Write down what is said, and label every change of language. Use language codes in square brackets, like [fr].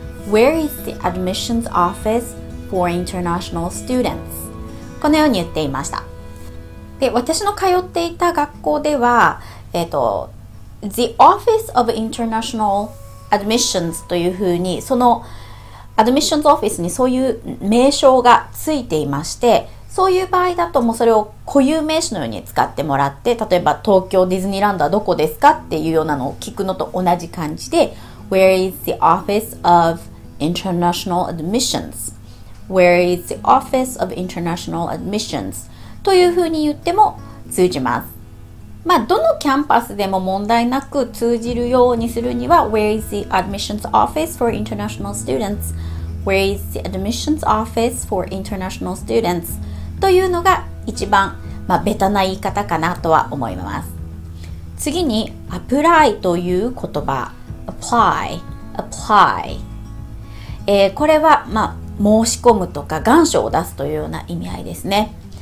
[en] Where is the Admissions Office for International Students? [ja] このように言っていました。で、私の通っていた学校では、 [en] The Office of International Admissions [ja] というふうに、その Admissions Office にそういう名称がついていまして、そういう場合だともうそれを固有名詞のように使ってもらって、例えば東京ディズニーランドはどこですかっていうようなのを聞くのと同じ感じで、 [en] Where is the Office of International Admissions? Where is the Office of International Admissions? [ja] というふうに言っても通じます。どのキャンパスでも問題なく通じるようにするには、 [en] Where is the Admissions Office for International Students? Where is the Admissions Office for International Students? [ja] というのが一番、ベタな言い方かなとは思います。次に、Apply という言葉。Apply、Apply。これは、申し込むとか願書を出すというような意味合いですね。